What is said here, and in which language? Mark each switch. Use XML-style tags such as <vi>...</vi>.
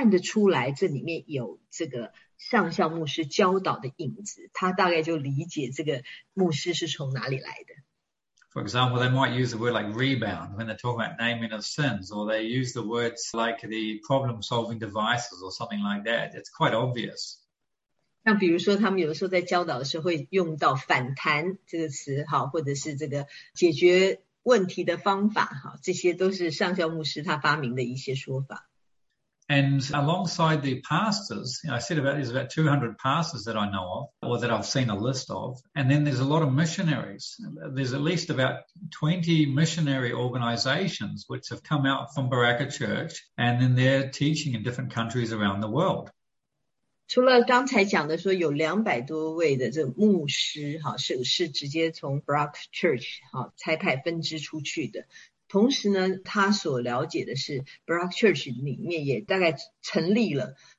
<zh>而Tim呢说这个上校牧师他的教导呢对这些人的影响非常的大，所以有的时候呢，Tim不见得认识某些牧师，但是从他们他在看他们所写的文章或所说的这些传教的这些演讲呢，他会看得出来这里面有这个</zh> <en>For example, they might use the word like rebound when they're talking about naming of sins, or they use the words like the problem-solving devices or something like that. It's quite obvious.</en> <zh>那比如说他们有的时候在教导的时候会用到反弹这个词，或者是这个解决问题的方法，这些都是上校牧师他发明的一些说法。</zh> <en>And alongside the pastors, you know, I said about there's about 200 pastors that I know of or that I've seen a list of. And then there's a lot of missionaries. There's at least about 20 missionary organizations which have come out from Baraka Church, and then they're teaching in different countries around the world.</en> <zh>除了刚才讲的说有200多位的这牧师是直接从 Baraka Church 差派分支出去的。同时呢，他所了解的是 Baraka Church 里面也大概成立了</zh>